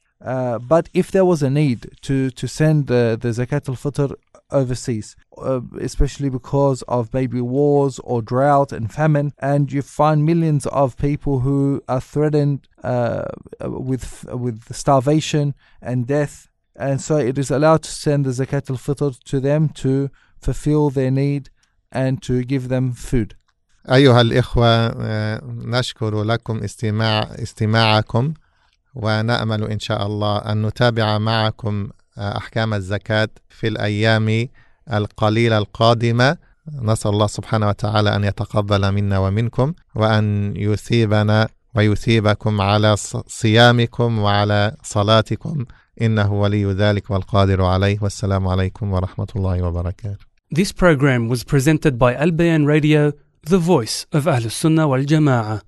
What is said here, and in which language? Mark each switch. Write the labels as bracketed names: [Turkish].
[English] But if there was a need to send the zakat al-fitr overseas, especially because of maybe wars or drought and famine, and you find millions of people who are threatened with starvation and death, and so it is allowed to send the zakat al-fitr to them to fulfill their need and to give them food. [Arabic] أيها الإخوة نشكر لكم استماعكم ونأمل إن شاء الله أن نتابع معكم أحكام الزكاة في الأيام القليلة القادمة نسأل الله سبحانه وتعالى أن يتقبل منا ومنكم وأن يثيبنا ويثيبكم على صيامكم وعلى صلاتكم إنه ولي ذلك والقادر عليه والسلام عليكم ورحمة الله وبركاته. [English] This program was presented by Al Bayan Radio, the voice of Ahlus Sunnah wal Jama'ah.